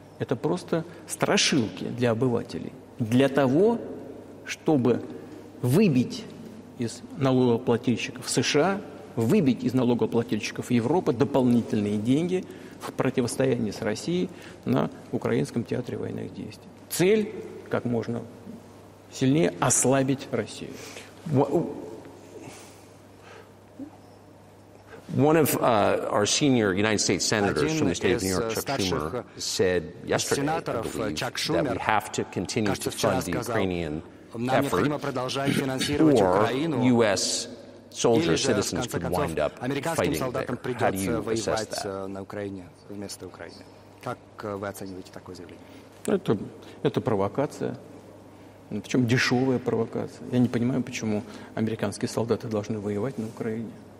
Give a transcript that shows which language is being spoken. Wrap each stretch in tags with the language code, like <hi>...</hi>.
<ru>Это просто страшилки для обывателей. Для того, чтобы выбить из налогоплательщиков США, выбить из налогоплательщиков Европы дополнительные деньги в противостоянии с Россией на украинском театре военных действий. Цель – как можно сильнее ослабить Россию.</ru> <en>One of our senior United States senators from the state of New York, Chuck Schumer, said yesterday that we have to continue to fund the Ukrainian</en> <ru>нам необходимо продолжать финансировать Украину,</ru> <en>US soldiers,</en> <ru>или же, в конце концов, американским солдатам придется воевать на Украине вместо Украины. Как вы оцениваете такое заявление? Это провокация. Причем дешевая провокация. Я не понимаю, почему американские солдаты должны воевать на Украине.</ru>